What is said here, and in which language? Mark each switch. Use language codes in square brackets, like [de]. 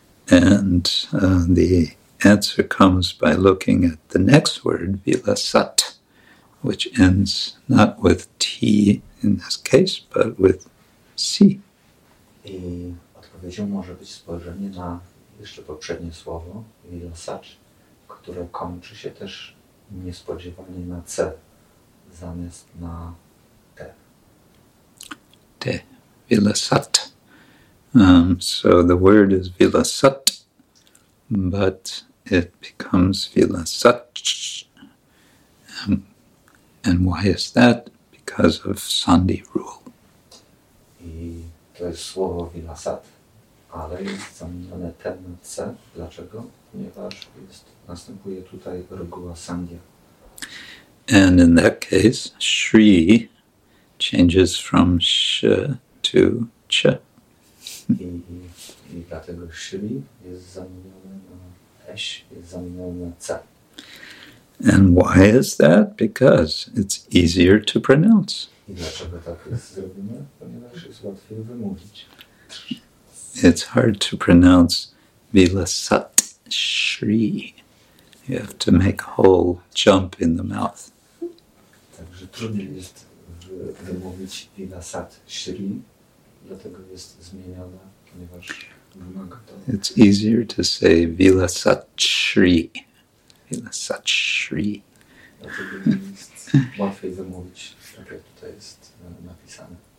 [en] And the answer comes by looking at the next word, vilasat, which ends not with T in this case, but with C. [pl] I odpowiedzią może być spojrzenie na jeszcze poprzednie słowo, vilasat, które kończy się też niespodziewanie na C zamiast na T. [en] T, vilasat. So the word is vilasat, but it becomes vilasat. And why is that? Because of sandhi rule. [pl] I to jest słowo vilasat, ale jest zamienione T na C. Dlaczego? Ponieważ jest, następuje tutaj reguła sandhi. [en] And in that case, Shri changes from sh to ch. [pl] I dlatego Shri jest zamienione na esh, jest zamienione na c. [en] And why is that? Because it's easier to pronounce. [pl] I dlaczego tak jest zrobione? Ponieważ jest łatwiej wymówić. [en] It's hard to pronounce vilasat Shri. You have to make a whole jump in the mouth. [pl] Także trudniej jest wymówić vilasat Shri. Dlatego jest zmieniona, ponieważ wymaga to. [en] It's easier to say vilasat Shri. Vilasat Shri. [pl] dlatego jest łatwiej wymówić, tak jak tutaj jest napisane.